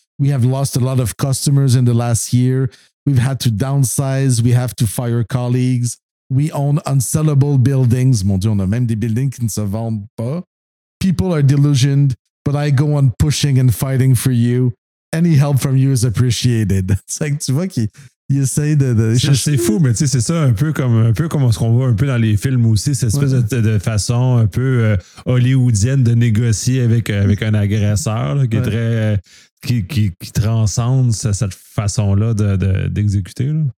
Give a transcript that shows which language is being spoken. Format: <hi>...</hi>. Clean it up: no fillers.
<en>We have lost a lot of customers in the last year. We've had to downsize. We have to fire colleagues. We own unsellable buildings.</en> <fr>Mon Dieu, on a même des buildings qui ne se vendent pas.</fr> <en>People are delusioned, but I go on pushing and fighting for you. Any help from you is appreciated.</en> <fr>C'est que tu vois qu'il essaye de chercher. C'est fou, mais tu sais, c'est ça un peu comme ce qu'on voit un peu dans les films aussi, cette espèce de façon un peu hollywoodienne de négocier avec un agresseur là, qui transcende cette façon-là d'exécuter.</fr>